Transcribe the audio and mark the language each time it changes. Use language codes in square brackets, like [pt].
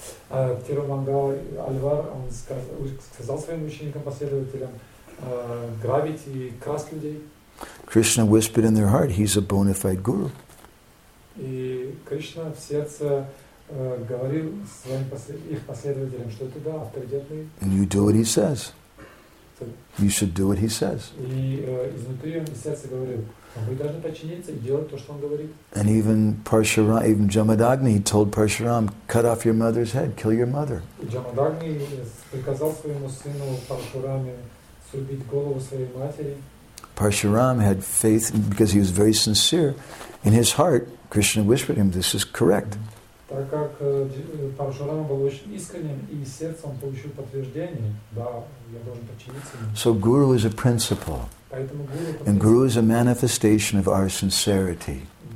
[ru] Тирумангал Альвар, он сказал своим ученикам-последователям грабить и красть людей. [en] Krishna whispered in their heart, he's a bona fide guru. [ru] И Кришна в сердце говорил своим их последователям, что это да, авторитетный. [en] And you do what he says. You should do what he says. [ru] И изнутри он в сердце говорил, вы должны подчиниться и делать то, что он говорит. [en] And even Jamadagni told Parshuram, cut off your mother's head, kill your mother. [ru] Jamadagni приказал своему сыну Парашураме срубить голову своей матери. [en] Parshuram had faith because he was very sincere. In his heart, Krishna whispered him, this is correct. [ru] Так как Парашурама был очень искренним, и сердцем получил подтверждение, да, я должен подчиниться. [en] So guru is a principle. And guru is a manifestation of our sincerity.